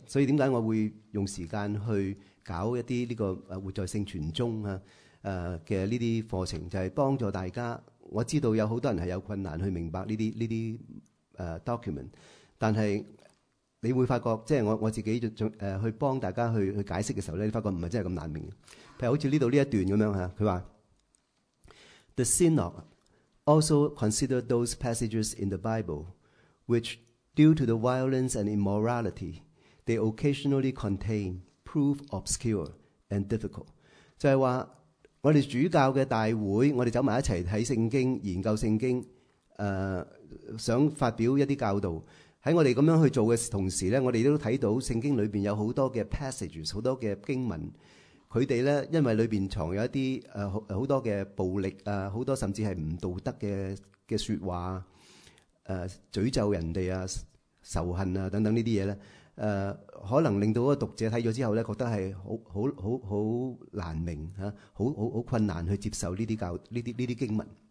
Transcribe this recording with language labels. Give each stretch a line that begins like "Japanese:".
Chinese: 所以为什么我会用时间去搞一些这个活在圣传中的这些课程，就是帮助大家。我知道有很多人是有困难去明白这些 document, 但是你会发觉即是我自己去帮大家 去解释的时候，你发觉不是真的那么难明白。譬如好像这里这一段这样，他说
English: The Synod also consider those passages in the Bible which, due to the violence and immorality they occasionally contain, prove obscure and difficult.
Chinese: 就是说我们主教的大会，我们走在一起看圣经，研究圣经，想发表一些教导。在我们这样去做的同时呢，我们都看到圣经里面有很多的 passages, 很多的经文，他们呢因为里面藏有一些很多的暴力，很多甚至是不道德 的说话，诅咒人家，仇恨等等这些东西呢，可能令到读者看了之后呢觉得是 很难明，很困难去接受这 些经文。